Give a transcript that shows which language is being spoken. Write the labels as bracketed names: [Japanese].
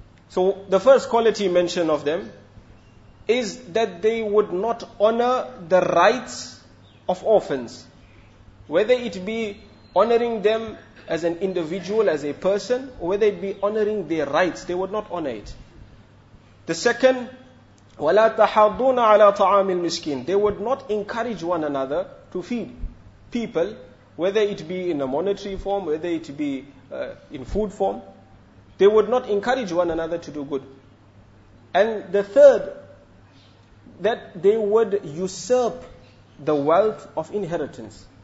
[English] So the first quality mentioned of them is that they would not honor the rights of orphans. Whether it be honoring them as an individual, as a person, or whether it be honoring their rights, they would not honor it. The second, [Arabic] وَلَا تَحَضُّونَ عَلَىٰ طَعَامِ الْمِسْكِينَ. [English] They would not encourage one another to feed people, whether it be in a monetary form, whether it be in food form. They would not encourage one another to do good. And the third, that they would usurp the wealth of inheritance.